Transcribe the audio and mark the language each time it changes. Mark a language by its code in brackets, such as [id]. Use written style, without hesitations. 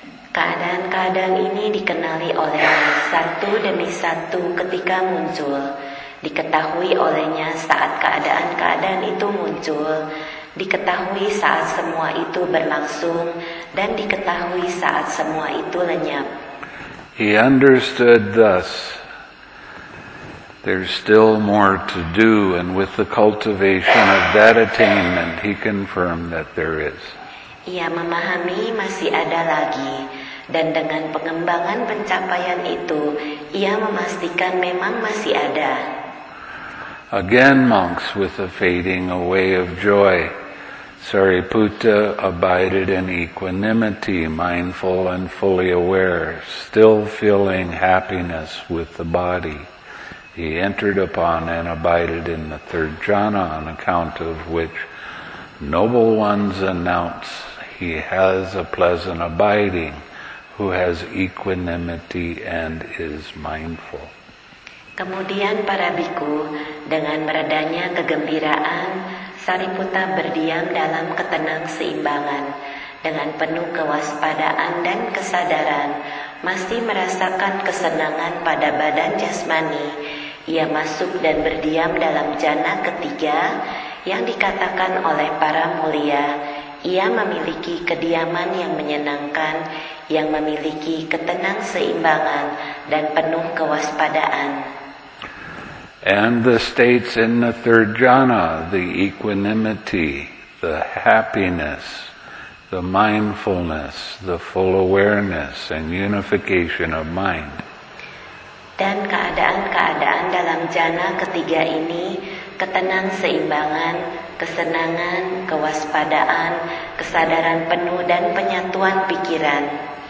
[id] Keadaan-keadaan ini dikenali olehnya satu demi satu ketika muncul, diketahui olehnya saat keadaan-keadaan itu muncul, diketahui saat semua itu berlangsung, dan diketahui saat semua itu lenyap. [en] He understood thus there's still more to do, and with the cultivation of that attainment, he confirmed that there is. [id] Ia memahami masih ada lagi, dan dengan pengembangan pencapaian itu, ia memastikan memang masih ada. [en] Again, monks with a fading away of joy, Sariputta abided in equanimity, mindful and fully aware, still feeling happiness with the body. He entered upon and abided in the third jhana, on account of which noble ones announce he has a pleasant abiding, who has equanimity and is mindful. [id] Kemudian para bhikkhu, dengan meredanya kegembiraan, Sariputta berdiam dalam ketenang seimbangan, dengan penuh kewaspadaan dan kesadaran, masih merasakan kesenangan pada badan jasmani. Ia masuk dan berdiam dalam jhana ketiga yang dikatakan oleh para mulia. Ia memiliki kediaman yang menyenangkan, yang memiliki ketenang seimbangan dan penuh kewaspadaan. [en] And the states in the third jhana, the equanimity, the happiness, the mindfulness, the full awareness and unification of mind. [id] Dan keadaan-keadaan dalam jhana ketiga ini, ketenang seimbangan, kesenangan, kewaspadaan, kesadaran penuh dan penyatuan pikiran.